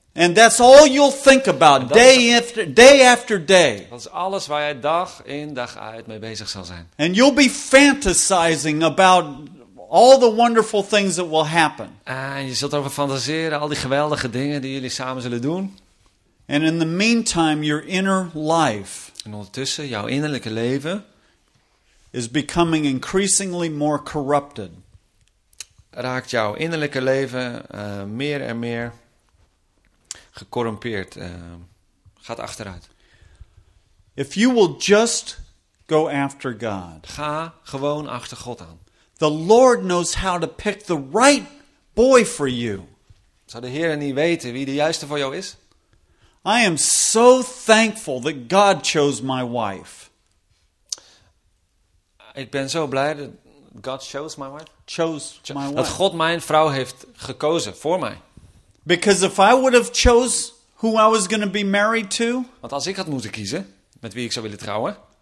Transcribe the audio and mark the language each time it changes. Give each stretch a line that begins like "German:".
English: And that's all you'll think about day after day after day.
Dutch: Dat is alles waar jij dag in dag uit mee bezig zal zijn.
English: And you'll be fantasizing about all the wonderful things that will happen.
Dutch: En je zult over fantaseren al die geweldige dingen die jullie samen zullen doen.
English: And in the meantime, your inner life.
Dutch: En ondertussen jouw innerlijke leven.
English: Is becoming increasingly more corrupted.
Dutch: Raakt jouw innerlijke leven meer en meer gecorrumpeerd. Gaat achteruit.
English: If you will just go after God.
Dutch: Ga gewoon achter God aan.
English: The Lord knows how to pick the right boy for you.
Dutch: Zou de Heer niet weten wie de juiste voor jou is?
English: I am so thankful that God chose my wife.
Dutch: Ik ben zo blij dat God
English: chose my wife. Chose my wife.
Dutch: Dat God mijn vrouw heeft gekozen voor mij.
English: Because if I would have chose who I was going to be married to.
Dutch: Want als ik had moeten kiezen met wie ik zou willen trouwen.